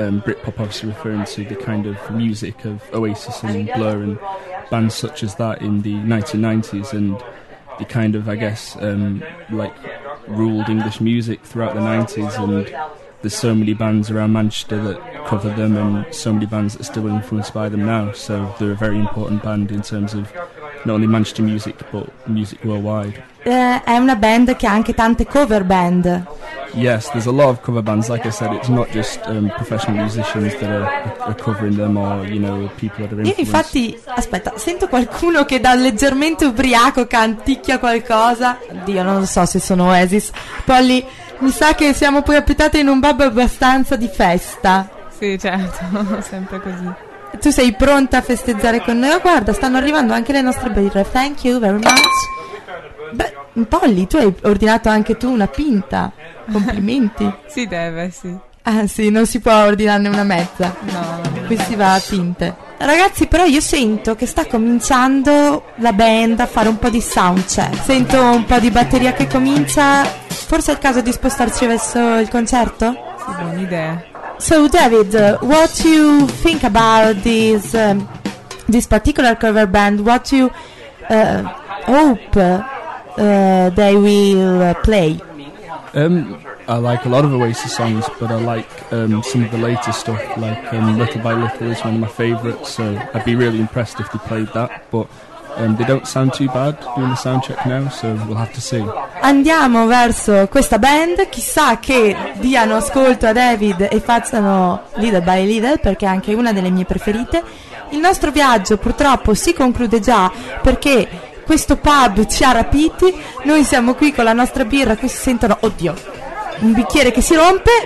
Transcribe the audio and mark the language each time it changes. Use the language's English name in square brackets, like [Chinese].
[English] Britpop obviously referring to the kind of music of Oasis and Blur and bands such as that in the 1990s, and they kind of, I guess, ruled English music throughout the 90s, and there's so many bands around Manchester that cover them, and so many bands that are still influenced by them now, so they're a very important band in terms of not only Manchester music, but music worldwide. [Italian] È una band che ha anche tante cover band. [English] Yes, there's a lot of cover bands. Like I said, it's not just professional musicians that are covering them, or, you know, people that are influenced. [Italian] Io infatti, aspetta, sento qualcuno che da leggermente ubriaco canticchia qualcosa. Dio, non so se sono Oasis. Polly, mi sa che siamo proiettate in un pub abbastanza di festa. Sì, certo, sempre così. Tu sei pronta a festeggiare con noi? Guarda, stanno arrivando anche le nostre birre. [English] Thank you very much. [Italian] Beh, Polly, tu hai ordinato anche tu una pinta. Complimenti. Si deve, sì. Ah, sì, non si può ordinarne una mezza. No. Qui si va a tinte. Ragazzi, però io sento che sta cominciando la band a fare un po' di soundcheck. Sento un po' di batteria che comincia. Forse è il caso di spostarci verso il concerto? Sì, buona idea. [English] So David, what do you think about this this particular cover band? What do you hope they will play? I like a lot of Oasis songs, but I like some of the later stuff, like Little by Little is one of my favourites, so I'd be really impressed if they played that, but they don't sound too bad doing the soundcheck now, so we'll have to see. [Italian] Andiamo verso questa band, chissà che diano ascolto a David e facciano Little by Little, perché è anche una delle mie preferite. Il nostro viaggio purtroppo si conclude già, perché questo pub ci ha rapiti. Noi siamo qui con la nostra birra, qui si sentono, oddio, un bicchiere che si rompe.